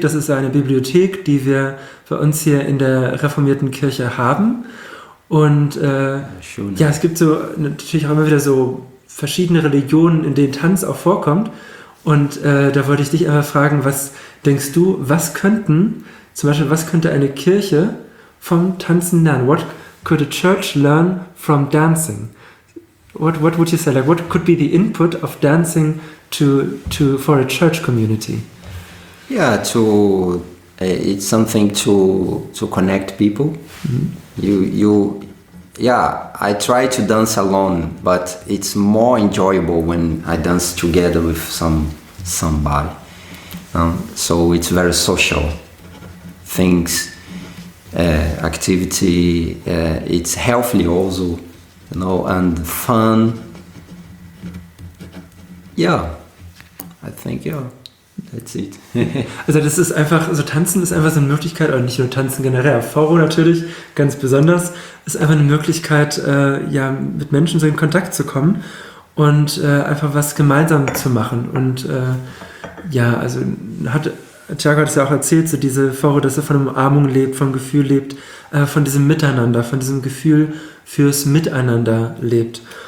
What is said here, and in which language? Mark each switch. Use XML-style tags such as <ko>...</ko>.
<de>Das ist eine Bibliothek, die wir bei uns hier in der reformierten Kirche haben. Und es gibt so natürlich auch immer wieder so verschiedene Religionen, in denen Tanz auch vorkommt. Und da wollte ich dich einmal fragen, was denkst du, was könnte eine Kirche vom Tanzen lernen?</de> <en>What could a church learn from dancing? What would you say? Like, what could be the input of dancing to for a church community? Yeah, it's something to connect people. Mm-hmm. I try to dance alone, but it's more enjoyable when I dance together with somebody. So it's very social things. Activity, it's healthy also, you know, and fun. Yeah, I think, yeah, that's it.</en> <de>Also das ist einfach, so Tanzen ist einfach so eine Möglichkeit, oder nicht nur Tanzen generell, Forró natürlich, ganz besonders, ist einfach eine Möglichkeit, mit Menschen so in Kontakt zu kommen und einfach was gemeinsam zu machen. Und Thiago hat es ja auch erzählt, so diese Forró, dass er von Umarmung lebt, vom Gefühl lebt, von diesem Miteinander, von diesem Gefühl fürs Miteinander lebt.</de>